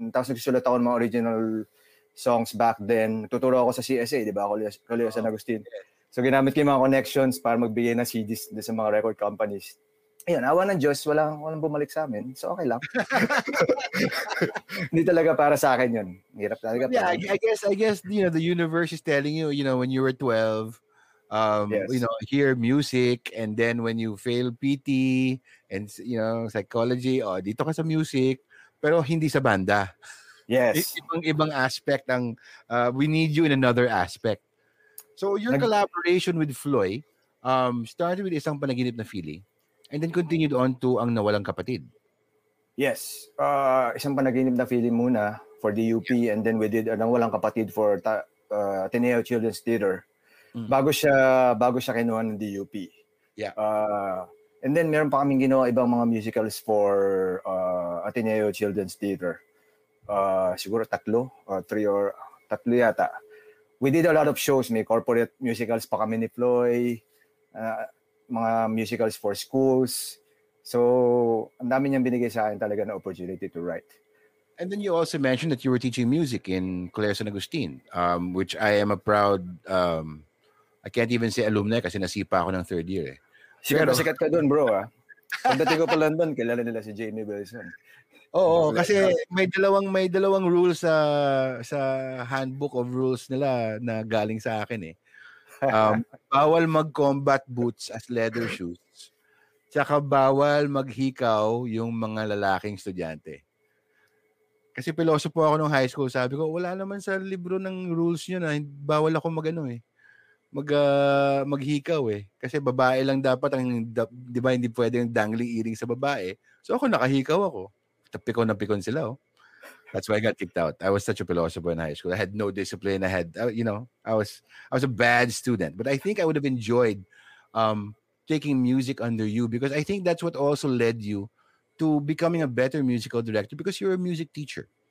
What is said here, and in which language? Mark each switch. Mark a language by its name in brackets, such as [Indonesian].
[Filipino] Tapos nagsulat ako ng mga original songs [English] back then. [Filipino] Tuturo ako sa CSA, di ba? Kuliyo San Agustin. So ginamit ko yung mga connections para magbigay na CDs sa mga record companies. Ayun, awa ng Diyos, walang bumalik sa amin. So, okay lang. Hindi talaga para sa akin yun. Hirap talaga. [English] Yeah, I guess, you know, the universe is telling you, you know, when you were 12, yes. You know, hear music, and then when you fail PT, and, you know, psychology, oh, [Filipino] dito ka sa music, pero hindi sa banda. [English] Yes. [Filipino] Ibang aspect ang, [English] we need you in another aspect. So, your collaboration with Floy started with Isang Panaginip na Feeling. And then continued on to Ang Nawalang Kapatid. Yes. Isang Panaginip na Feeling muna for DUP. Yeah. And then we did Ang Nawalang Kapatid for Ateneo Children's Theater. [Filipino] Mm. Bago siya kinuha ng DUP. [English] Yeah. [Filipino] And then meron pa kaming ginawa ibang mga musicals for Ateneo Children's Theater. Siguro tatlo, three or tatlo yata. [English] We did a lot of shows. [Filipino] May corporate musicals pa kami ni Floy. Mga musicals for schools. So, ang dami niyang binigay sa akin talaga na opportunity [English] to write. And then you also mentioned that you were teaching music in Claire San Agustin, which I am a proud, I can't even say alumni [Filipino] kasi nasipa ako ng third year. Sikat ka dun, bro. Pagdating ko pa London, kilala nila si Jamie Wilson. Oo, kasi may dalawang rules sa handbook of rules nila na galing sa akin eh. Bawal mag-combat boots as leather shoes. Tsaka bawal maghikaw yung mga lalaking estudyante. Kasi philosopher po ako nung high school, sabi ko, wala naman sa libro ng rules niyo na bawal ako magano eh. Maghikaw eh. Kasi babae lang dapat ang 'di ba, hindi pwedeng dangling earring sa babae. So ako nakahikaw ako. Tapikon na pikon sila oh. [English] That's why I got kicked out. I was such a philosopher in high school. I had no discipline. I had, you know, I was a bad student. But I think I would have enjoyed taking music under you because I think that's what also led you to becoming a better musical director because you're a music teacher.